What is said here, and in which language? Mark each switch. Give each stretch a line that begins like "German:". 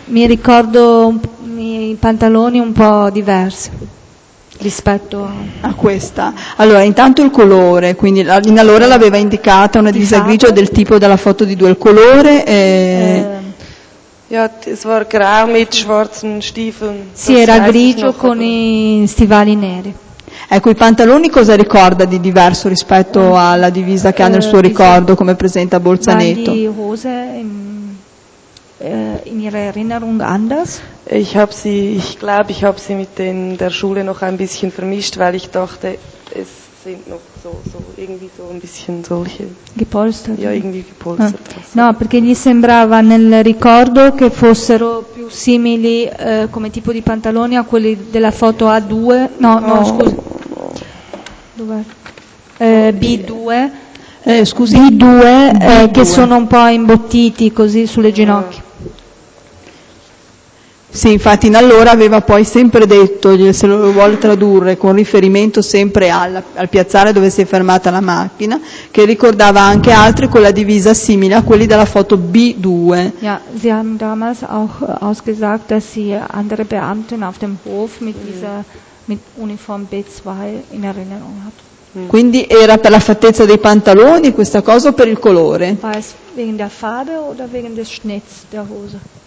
Italian: Mi ricordo i pantaloni un po' diversi rispetto a questa. Allora, intanto il colore, quindi in allora l'aveva indicata una divisa grigia del tipo della foto di due, il colore e...
German: Ja, es war grau mit schwarzen Stiefeln.
Italian: Sì, era grigio con i stivali neri. Ecco, i pantaloni cosa ricorda di diverso rispetto alla divisa che ha nel suo ricordo, come presenta Bolzanetto?
German: Die Hose in ihrer Erinnerung anders? Ich habe sie, ich glaube, ich habe sie mit den der Schule noch ein bisschen vermischt, weil ich dachte, es sind noch so irgendwie so ein bisschen solche gepolstert. Ja, irgendwie gepolstert.
Italian: No, perché gli sembrava nel ricordo che fossero più simili come tipo di pantaloni a quelli della foto A2. No, no, scusi. Dov'è? B2. Scusi, B2. Che sono un po' imbottiti così sulle ginocchia. Sì, infatti in allora aveva poi sempre detto, se lo vuole tradurre, con riferimento sempre al piazzale dove si è fermata la macchina, che ricordava anche altri con la divisa simile a quelli della foto B2.
German: Ja, sie haben damals auch ausgesagt, dass sie andere Beamten auf dem Hof mit dieser mit Uniform B2 in Erinnerung hat.
Italian: Quindi era per la fattezza dei pantaloni questa cosa o per il colore?
German: War es wegen der Farbe oder wegen des Schnitts der Hose?